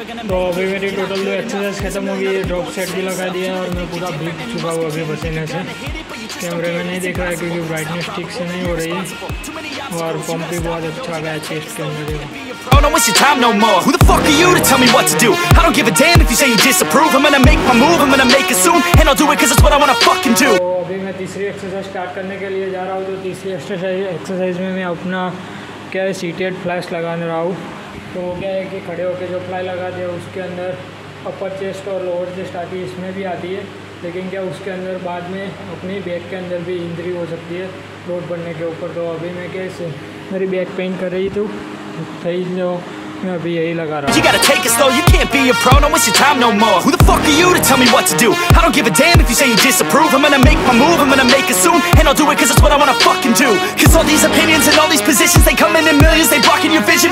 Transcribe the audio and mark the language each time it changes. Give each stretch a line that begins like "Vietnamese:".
Hindi: तो अभी मेरी टोटल जो एक्सरसाइज खत्म हो गई है, ड्रॉप सेट भी लगा दिया और मैं पूरा भीग चुका हूँ अभी पसीने से, कैमरे में नहीं देख रहा है क्योंकि ब्राइटनेस ठीक से नहीं हो रही है, और पंप भी बहुत अच्छा आ गया है चेस्ट के अंदर।
English: Oh, no, it's your time no more. Who the fuck are you to tell me what to do? I don't give a damn if you say you disapprove. I'm gonna make my move, I'm gonna make it soon. And I'll do it cause it's what I wanna fucking do.
Hindi: तो अभी मैं तीसरी exercise start करने के लिए जा रहा हूँ, तो तीसरी एक्सरसाइज में मैं अपना क्या है सीटेड फ्लैश लगाने रहा हूँ। तो क्या है कि खड़े होकर जो फ्लाई लगाते हैं उसके अंदर अपर चेस्ट और लोअर चेस्ट आती है, इसमें भी आती है, लेकिन क्या उसके अंदर बाद में अपनी बैक के अंदर भी इंजरी हो सकती है लोड बढ़ने के ऊपर। तो अभी मैं कैसे मेरी बैक पेन कर रही थी सही जो
English: You gotta take it slow, you can't be a pro, don't waste your time no more. Who the fuck are you to tell me what to do? I don't give a damn if you say you disapprove. I'm gonna make my move, I'm gonna make it soon. And I'll do it cause it's what I wanna fucking do. Cause all these opinions and all these positions, they come in millions, they blocking your vision.